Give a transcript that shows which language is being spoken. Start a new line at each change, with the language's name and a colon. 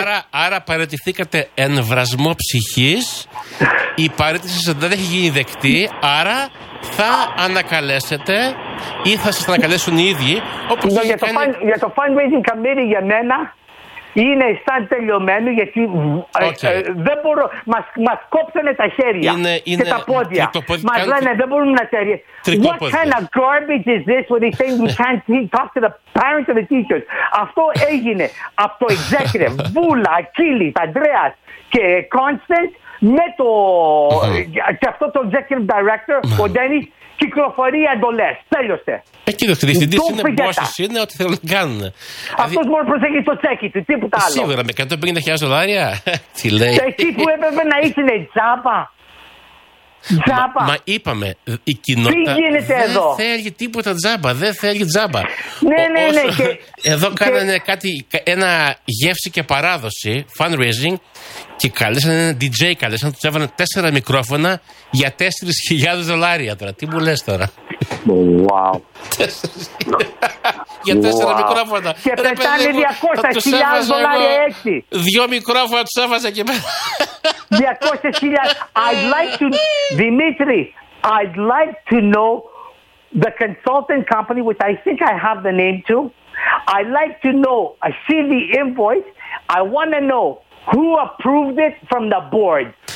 Greek: Άρα παραιτηθήκατε εν βρασμό ψυχής. Η παραίτηση σας δεν έχει γίνει δεκτή. Άρα θα ανακαλέσετε ή θα σας ανακαλέσουν οι ίδιοι, όπως για, το κάνει... για το fundraising committee για μένα είναι σαν τελειωμένο, γιατί δεν μπορώ, μας κόψανε τα χέρια είναι, και τα πόδια. Μας λένε δεν μπορούμε να τα τρικόποδες.
English: What kind of garbage is this where they think we can't talk to the parents and the teachers?
Greek: Αυτό έγινε από το executive, Βούλα, Ακίλης, Ανδρέας και Constance, με το, και αυτό το executive director, ο Ντένις, κυκλοφορεί εντολές. Τέλειωσε. Εκεί ο διευθυντής είναι μπόσος, είναι ό,τι θέλουν να κάνουν. Αυτός μόνο προσέχει το τσέκι του, τίποτα άλλο. Σίγουρα, με 150.000 δολάρια, τι λέει. Εκεί που έπρεπε να ήσουν τζάπα. Τζάπα. Μα είπαμε, η κοινότητα δεν εδώ θέλει τίποτα τζάμπα. Δεν θέλει τζάμπα. Ναι, ναι, ναι. Και, εδώ κάνανε και... κάτι, ένα γεύση και παράδοση, fundraising, και καλέσανε ένα DJ, καλέσανε, τους έβαλαν 4 μικρόφωνα για 4.000 δολάρια τώρα. Τι μου λες τώρα.
English: Wow.
Greek: Για 4 wow μικρόφωνα. Και ρε, πετάνε 200.000 δολάρια έτσι. Δύο μικρόφωνα τους έβαζα και μένα. 200.000.
English: I'd like to, Δημήτρη, I'd like to know the consulting company, which I think I have the name to. I'd like to know, I see the invoice. I want to know who approved it from the board.